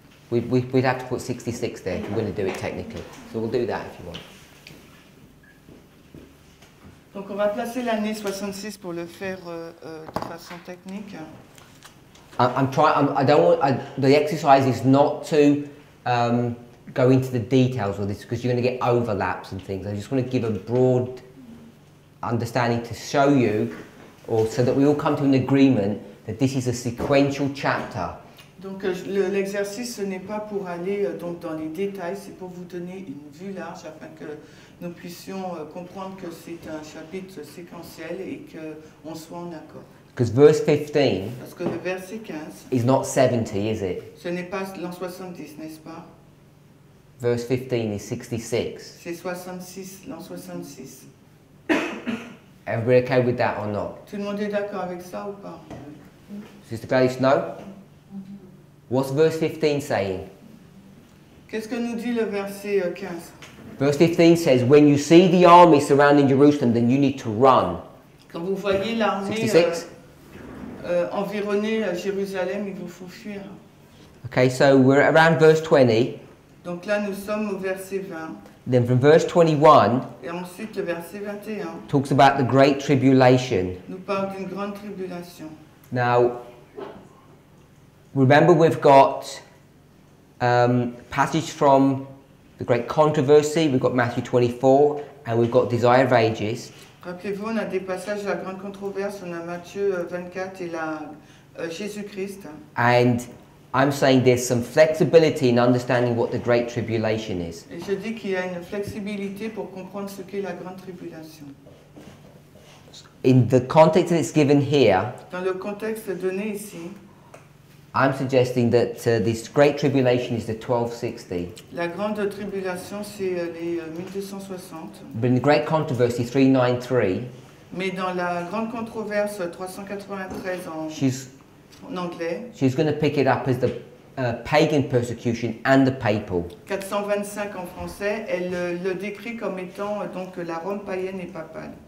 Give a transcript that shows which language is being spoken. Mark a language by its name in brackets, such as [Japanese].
[English] We'd have to put 66 there if we're going to do it technically. So we'll do that if you want. [French] Donc on va placer l'année 66 pour le faire de façon technique. [English] The exercise is not to go into the details of this because you're going to get overlaps and things. I just want to give a broad understanding to show you, or so that we all come to an agreement that this is a sequential chapter. [French] Donc l'exercice ce n'est pas pour aller donc dans les détails, c'est pour vous donner une vue large afin que nous puissions comprendre que c'est un chapitre séquentiel et que on soit en accord. [English] Because verse 15, [French] parce que le verset 15 [English] is not 70, is it? [French] Ce n'est pas l'an 70, n'est-ce pas? [English] Verse 15 is 66. [French] C'est 66, l'an 66. [English] Everybody okay with that or not? [French] Tout le monde est d'accord avec ça ou pas? [English] Sister Gladys, no? What's verse 15 saying? [French] Qu'est-ce que nous dit le verset 15? [English] Verse 15 says, when you see the army surrounding Jerusalem, then you need to run. [French] Quand vous voyez l'armée environner Jérusalem, il vous faut fuir. [English] Okay, so we're around verse 20. [French] Donc là, nous sommes au verset 20. [English] Then from verse 21, [French] et ensuite, le verset 21 [English] talks about the great tribulation. [French] Nous parle d'une grande tribulation. [English] Now, remember we've got passage from the great controversy, we've got Matthew 24, and we've got Desire of Ages. [French] Rappelez-vous, on a des passages de la grande controverse, on a Matthieu 24 et la Jésus-Christ. [English] And I'm saying there's some flexibility in understanding what the Great Tribulation is. [French] Et je dis qu'il y a une flexibilité pour comprendre ce qu'est la grande tribulation. [English] In the context that it's given here, [French] dans le contexte donné ici, [English] I'm suggesting that this Great Tribulation is the 1260. [French] La grande tribulation c'est les 1260. [English] But in the Great Controversy 393. [French] Mais dans la grande controverse 393 en anglais. [English] She's going to pick it up as the pagan persecution and the papal. [French] 425 en français, elle le décrit comme étant donc la Rome païenne et papale.